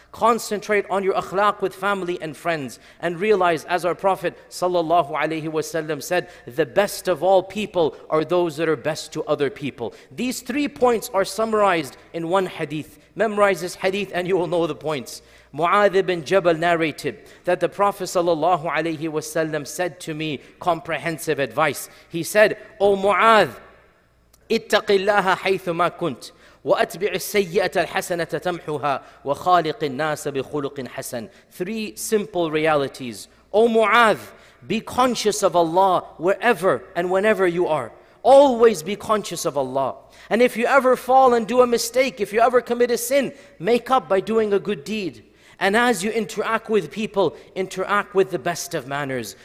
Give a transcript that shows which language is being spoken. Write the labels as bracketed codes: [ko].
[en] Concentrate on your akhlaq with family and friends, and realize, as our Prophet sallallahu alaihi wasallam said, the best of all people are those that are best to other people. These three points are summarized in one hadith. Memorize this hadith and you will know the points. Mu'adh ibn Jabal narrated that the Prophet sallallahu alaihi wasallam said to me comprehensive advice. He said, O Mu'adh, [ar] ittaqillaha haythuma kunt. وأتبع السيئة الحسنة تمحها وخالق الناس بخلق حسن. [en] Three simple realities. O Mu'adh, be conscious of Allah wherever and whenever you are. Always be conscious of Allah. And if you ever fall and do a mistake, if you ever commit a sin, make up by doing a good deed. And as you interact with people, interact with the best of manners.